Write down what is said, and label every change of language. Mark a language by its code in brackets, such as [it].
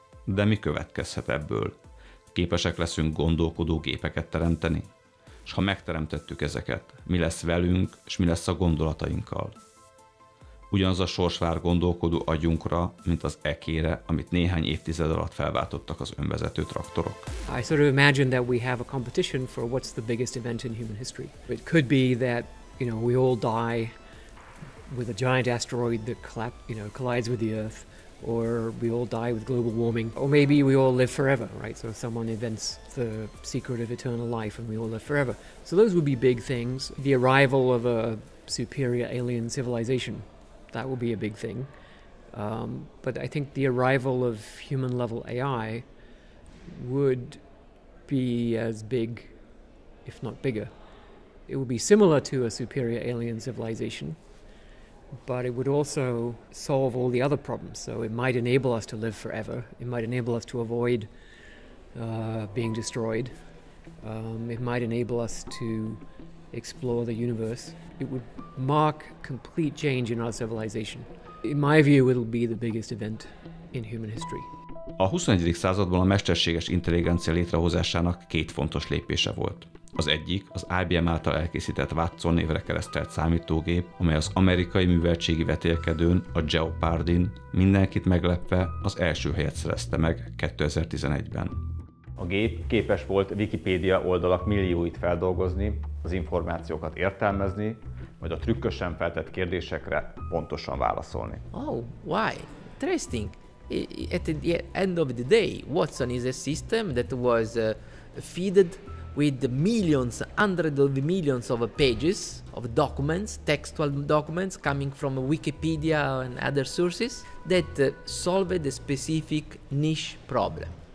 [hu] De mi következhet ebből? Képesek leszünk gondolkodó gépeket teremteni? És ha megteremtettük ezeket, mi lesz velünk, és mi lesz a gondolatainkkal? Ugyanaz a sors vár gondolkodó agyunkra, mint az ekére, amit néhány évtized alatt felváltottak az önvezető traktorok. [en] I sort of imagine that we have a competition for what's the biggest event in human history. It could be that, you know, we all die with a giant asteroid that collides with the Earth, or we all die with global warming, or maybe we all live forever, right? So someone invents the secret of eternal life and we all live forever. So those would be big things. The arrival of a superior alien civilization, that would be a big thing. But I think the arrival of human-level AI would be as big, if not bigger. It would be similar to a superior alien civilization, but it would also solve all the other problems. So it might enable us to live forever. It might enable us to avoid being destroyed. It might enable us to explore the universe. It would mark complete change in our civilization. In my view, it'll be the biggest event in human history. [hu] A 21. században a mesterséges intelligencia létrehozásának két fontos lépése volt. Az egyik az IBM által elkészített Watson névre keresztelt számítógép, amely az amerikai műveltségi vetélkedőn, a Jeopardy-n mindenkit meglepve az első helyet szerezte meg 2011-ben. A gép képes volt Wikipedia oldalak millióit feldolgozni, az információkat értelmezni, majd a trükkösen feltett kérdésekre pontosan válaszolni. [en] Oh, why? Interesting. At the end of the day, Watson is a system that was fed with millions, hundreds of millions of pages of documents, textual documents coming from Wikipedia and other sources that solved a specific niche problem.